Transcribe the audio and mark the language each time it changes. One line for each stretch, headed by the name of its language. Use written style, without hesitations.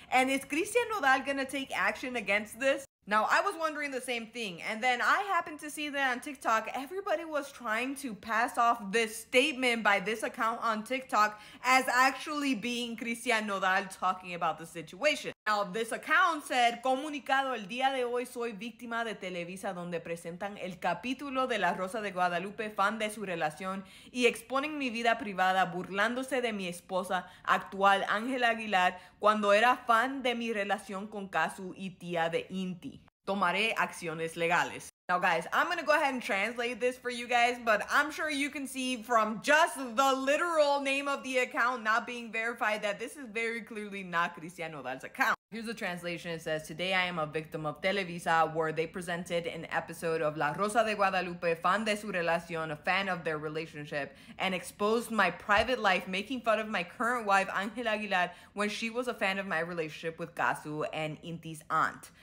English: And is Cristian Nodal gonna take action against this? Now, I was wondering the same thing, and then I happened to see that on TikTok, everybody was trying to pass off this statement by this account on TikTok as actually being Cristian Nodal talking about the situation.
Spanish: Now, this account said, comunicado el día de hoy, soy víctima de Televisa donde presentan el capítulo de La Rosa de Guadalupe, fan de su relación, y exponen mi vida privada burlándose de mi esposa actual, Ángela Aguilar, cuando era fan de mi relación con Cazzu y tía de Inti. Tomaré acciones legales.
English: Now guys, I'm gonna go ahead and translate this for you guys, but I'm sure you can see from just the literal name of the account not being verified that this is very clearly not Cristian Nodal's account. Here's the translation. It says, today I am a victim of Televisa, where they presented an episode of La Rosa de Guadalupe,
Spanish: fan de su relación,
English: a fan of their relationship, and exposed my private life, making fun of my current wife, Ángela Aguilar, when she was a fan of my relationship with Cazzu and Inti's aunt.